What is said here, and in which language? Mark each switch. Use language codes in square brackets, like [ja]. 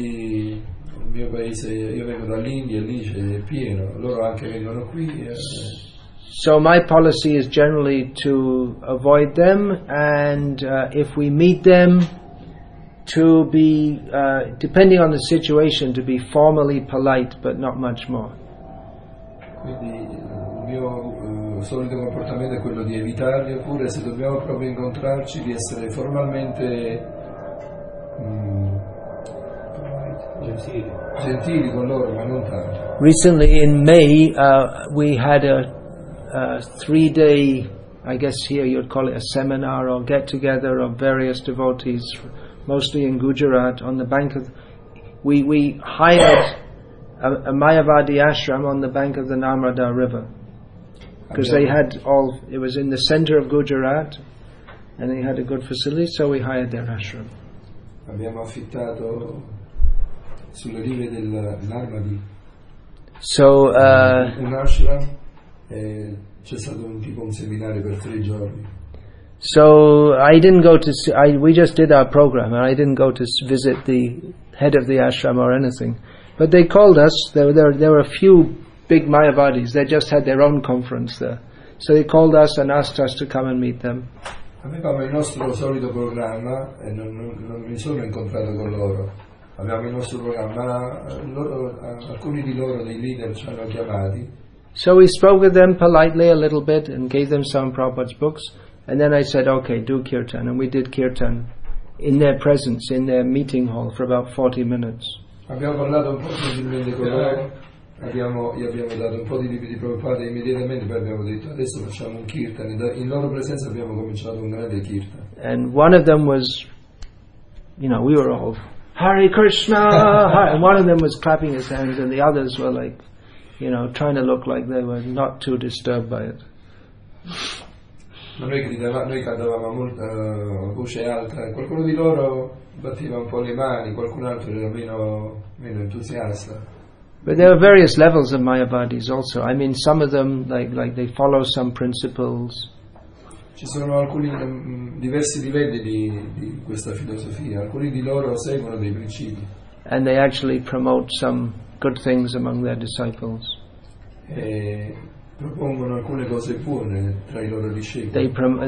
[it] Nel mio paese, io vengo dall'India, lì c'è pieno. Loro anche vengono qui. [en] So my policy is generally to avoid them, and if we meet them, to be, depending on the situation, to be formally polite, but not much more. [it] Quindi il mio solito comportamento è quello di evitarli, oppure se dobbiamo proprio incontrarci, di essere formalmente gentili con loro, ma non tanto. [en] Recently in May we had a 3-day, I guess here you'd call it a seminar or get together of various devotees, mostly in Gujarat, on the bank of. We hired a Mayavadi ashram on the bank of the Narmada River, because they had all. It was in the center of Gujarat, and they had a good facility, so we hired their ashram. [it] Abbiamo affittato sulle rive del Narmadi. [en] So. [it] Un ashram. C'è stato un tipo un seminario per 3 giorni. [en] So I didn't go to we just did our program, and I didn't go to visit the head of the ashram or anything. But they called us. There were a few big Mayavadis. They just had their own conference there. So they called us and asked us to come and meet them. [it] Avevamo il nostro solito programma e non mi sono incontrato con loro. Avevamo il nostro programma, alcuni di loro, dei leader, ci hanno chiamati. [en] So we spoke with them politely a little bit and gave them some Prabhupada's books, and then I said, okay, do kirtan. And we did kirtan in their presence, in their meeting hall, for about 40 minutes. [it] Abbiamo parlato un po' gentilmente con loro, gli abbiamo dato un po' di libri di Prabhupada immediatamente, poi abbiamo detto, adesso facciamo un kirtan. In loro presenza abbiamo cominciato un grande kirtan. [en] And one of them was, you know, we were all, Hare Krishna! And one of them was clapping his hands, and the others were like, you know, trying to look like they were not too disturbed by it. [it] Ma noi cantavamo molto a voce alta. Qualcuno di loro batteva un po' le mani, qualcun altro era meno entusiasta. [en] But there are various levels of Mayavadis also. I mean, some of them like they follow some principles. [it] Ci sono alcuni diversi livelli di questa filosofia. Alcuni di loro seguono dei principi. [en] And they actually promote some good things among their disciples. [it] Propongono alcune cose buone tra I loro discepoli.